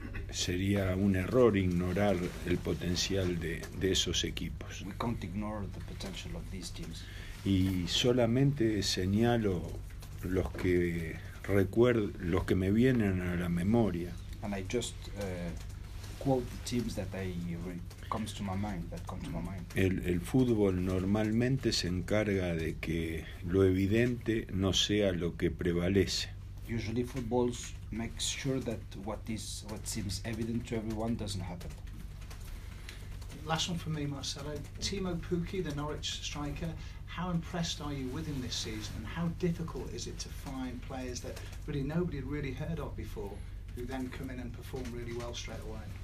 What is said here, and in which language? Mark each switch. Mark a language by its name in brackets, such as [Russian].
[Spanish] Sería un error ignorar el potencial de esos equipos. [English] We can't ignore the potential of these teams. [Spanish] Y solamente señalo los que me vienen a la memoria. [English] And I just quote the teams that comes to my mind, that come to my mind. [Spanish] El fútbol normalmente se encarga de que lo evidente no sea lo que prevalece. [English] Usually football makes sure that what seems evident to everyone doesn't happen. Last one from me, Marcelo. Timo Pukki, the Norwich striker, how impressed are you with him this season, and how difficult is it to find players that really nobody had really heard of before who then come in and perform really well straight away?